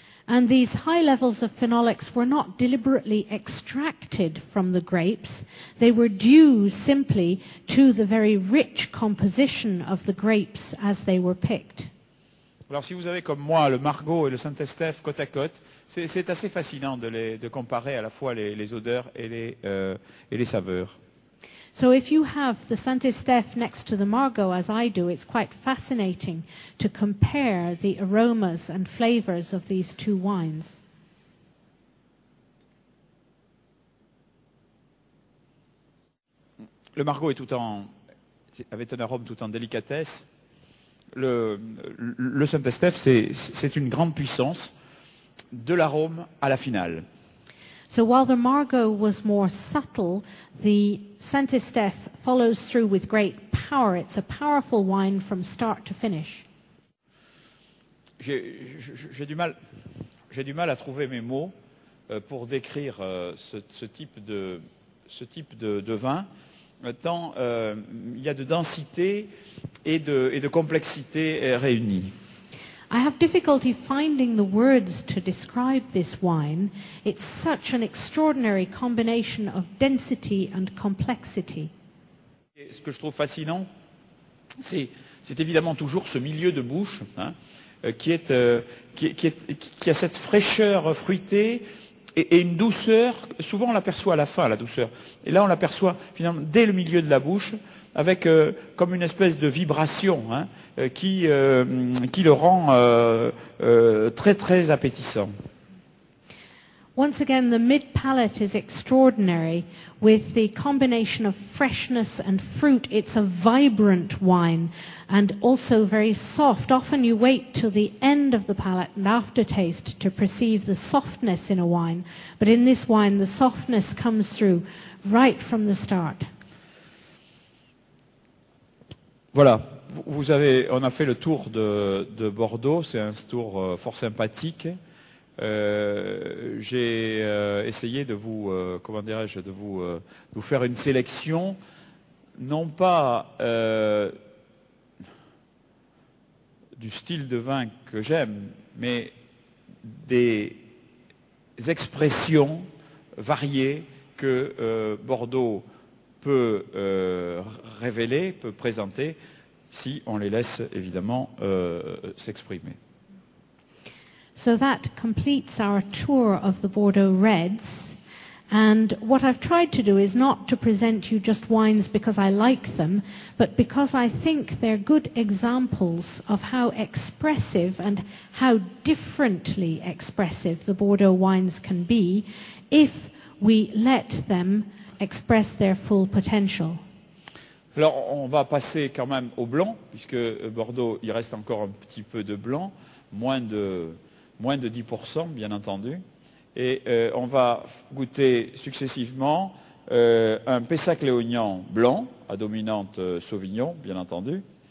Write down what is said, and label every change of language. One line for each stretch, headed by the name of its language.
English: And these high levels of phenolics were not deliberately extracted from the grapes. They were due simply to the very rich composition of the grapes as they were picked.
French: Alors si vous avez comme moi le Margaux et le Saint-Estèphe côte à côte, c'est assez fascinant de comparer à la fois les odeurs et les saveurs.
English: So if you have the Saint-Estèphe next to the Margaux as I do, it's quite fascinating to compare the aromas and flavors of these two wines.
French: Le Margaux avait un arôme tout en délicatesse. Le Saint-Estèphe, c'est une grande puissance de l'arôme à la finale.
English: So while the Margaux was more subtle, the Saint-Estèphe follows through with great power. It's a powerful wine from start to finish.
French: J'ai du mal à trouver mes mots pour décrire ce type de vin. Tant il y a de densité et de complexité réunies.
English: I have difficulty finding the words to describe this wine. It's such an extraordinary combination of density and complexity.
French: Et ce que je trouve fascinant, c'est évidemment toujours ce milieu de bouche qui a cette fraîcheur fruitée et une douceur. Souvent on l'aperçoit à la fin, la douceur. Et là on l'aperçoit finalement dès le milieu de la bouche, avec comme une espèce de vibration qui le rend très très appétissant.
English: Once again, the mid palate is extraordinary with the combination of freshness and fruit. It's a vibrant wine and also very soft. Often you wait till the end of the palate and aftertaste to perceive the softness in a wine, but in this wine the softness comes through right from the start.
French: Voilà, on a fait le tour de Bordeaux, c'est un tour fort sympathique. J'ai essayé de vous, de vous faire une sélection, non pas du style de vin que j'aime, mais des expressions variées que Bordeaux peut révéler, peut présenter, si on les laisse évidemment s'exprimer.
English: So that completes our tour of the Bordeaux Reds. And what I've tried to do is not to present you just wines because I like them, but because I think they're good examples of how expressive and how differently expressive the Bordeaux wines can be if we let them express their full potential.
French: Alors, on va passer quand même au blanc, puisque Bordeaux, il reste encore un petit peu de blanc, moins de 10%, bien entendu. Et on va goûter successivement un Pessac-Léognan blanc, à dominante Sauvignon, bien entendu.